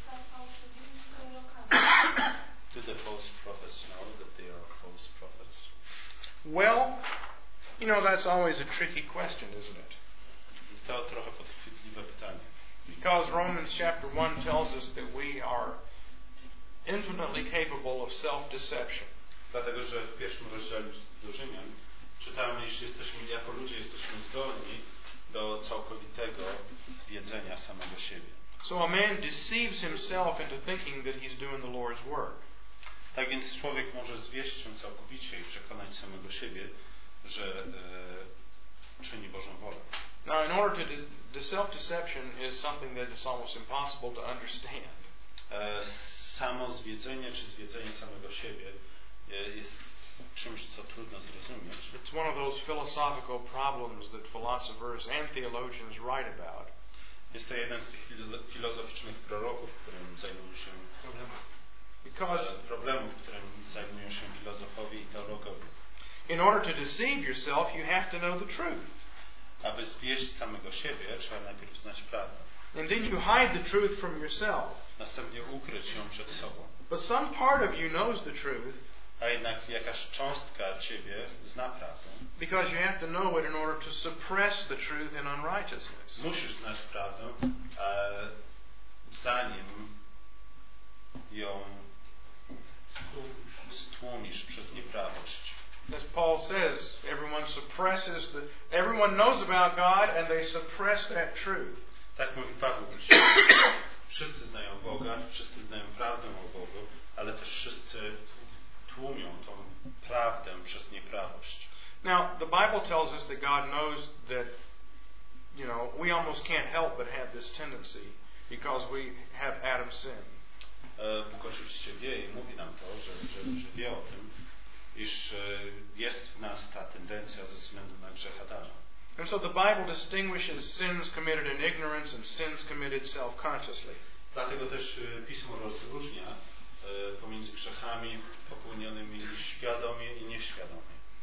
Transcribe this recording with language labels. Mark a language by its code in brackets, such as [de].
[en] Do the false prophets know that they are false prophets? Well, you know, that's always a tricky question, isn't it? [pl] To trochę podchwytliwe pytanie. [en] Because Romans chapter 1 tells us that we are infinitely capable of self-deception. [pl] Dlatego, że w pierwszym rozdziale do Rzymian czytamy, iż jesteśmy, jako ludzie jesteśmy zdolni do całkowitego zwiedzenia samego siebie. [en] So a man deceives himself into thinking that he's doing the Lord's work. [pl] Tak więc człowiek może zwieść się całkowicie i przekonać samego siebie, że czyni Bożą wolę. [en] Now in order to the self-deception is something that is almost impossible to understand. [pl] Samo zwiedzenie czy zwiedzenie samego siebie jest czymś, co trudno zrozumieć. [en] It's one of those philosophical problems that philosophers and theologians write about. [pl] Jest to jeden z tych filozoficznych proroków, którym zajmują się problemów, którym zajmują się filozofowie i teologowie. [en] In order to deceive yourself, you have to know the truth. [pl] Aby zwieść samego siebie, trzeba najpierw znać prawdę. [en] And then you hide the truth from yourself. [pl] Następnie ukryć ją przed sobą. [en] But some part of you knows the truth. [pl] A jednak jakaś cząstka ciebie zna prawdę. [en] Because you have to know it in order to suppress the truth in unrighteousness. [pl] Musisz znać prawdę, zanim ją stłumisz przez nieprawość. [en] As Paul says, everyone suppresses the. Everyone knows about God, and they suppress that truth. [pl] Tak mówi Paweł. Wszyscy znają Boga, wszyscy znają prawdę o Bogu, ale też wszyscy tłumią tą prawdę przez nieprawość. [en] Now the Bible tells us that God knows that, you know, we almost can't help but have this tendency because we have Adam's sin. [pl] Bóg oczywiście wie i mówi nam to, że wie o tym, iż jest w nas ta tendencja ze względu na grzech Adama. [en] And so the Bible distinguishes sins committed in ignorance and sins committed self-consciously. [pl] Dlatego też Pismo rozróżnia pomiędzy grzechami popełnionymi świadomie i nieświadomie.